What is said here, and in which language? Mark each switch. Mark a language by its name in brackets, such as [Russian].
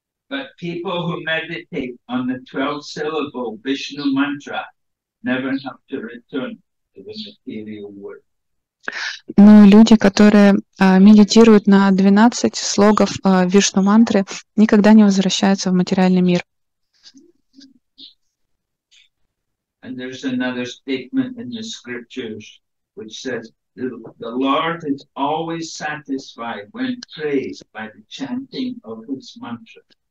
[English] But people who meditate on the 12-syllable Vishnu mantra never have to return to the material world. [Russian] Но люди, которые медитируют на 12 слогов Вишну-мантры, никогда не возвращаются в материальный мир. [English] And there's another statement in the scriptures, which says, the Lord is always satisfied when praised by the chanting of his mantra.